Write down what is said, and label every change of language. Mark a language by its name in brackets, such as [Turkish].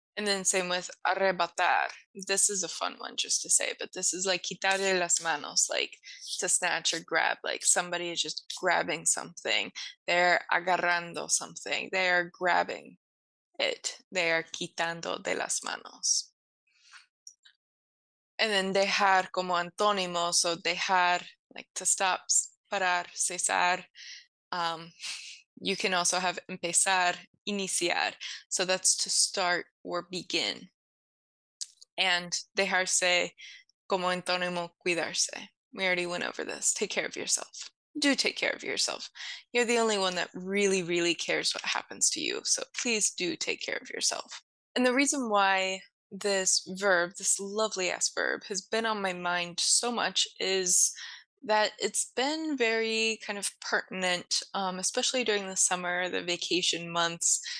[English] And then same with arrebatar. This is a fun one just to say, but this is like [Spanish] quitarle las manos, [English] like to snatch or grab, like somebody is just grabbing something, they're agarrando something, they are grabbing it, they are [Spanish] quitando de las manos. [English] And then [Spanish] dejar como antónimo, [English] so dejar, like to stop, parar, cesar. You can also have empezar, iniciar. So that's to start or begin. [Spanish] And dejarse como antónimo, cuidarse. [English] We already went over this. Take care of yourself. Do take care of yourself. You're the only one that really, really cares what happens to you. So please do take care of yourself. And the reason why this verb, this lovely ass verb, has been on my mind so much is that it's been very kind of pertinent, especially during the summer, the vacation months.